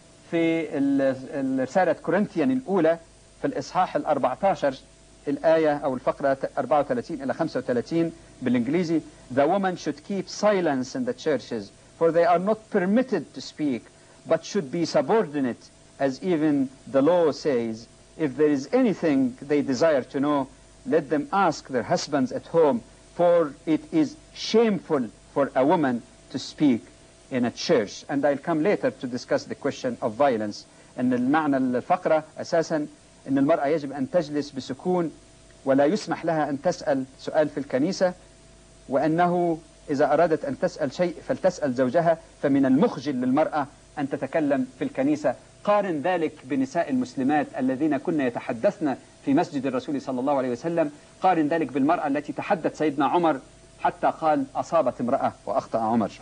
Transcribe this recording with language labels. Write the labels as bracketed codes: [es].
[ar] في الرسالة كورنثيان الأولى في الإصحاح 14 الآية أو الفقرة 34-35 بالإنجليزي [en] The woman should keep silence in the churches, for they are not permitted to speak, but should be subordinate, as even the law says. If there is anything they desire to know, let them ask their husbands at home, for it is shameful for a woman to speak in a church. And I'll come later to discuss the question of violence. [ar] إن المعنى الفقرة أساساً إن المرأة يجب أن تجلس بسكون ولا يسمح لها أن تسأل سؤال في الكنيسة, وأنه إذا أرادت أن تسأل شيء فلتسأل زوجها, فمن المخجل للمرأة أن تتكلم في الكنيسة. قارن ذلك بنساء المسلمات الذين كنا يتحدثن في مسجد الرسول صلى الله عليه وسلم, قارن ذلك بالمرأة التي تحدث سيدنا عمر حتى قال أصابت امرأة وأخطأ عمر.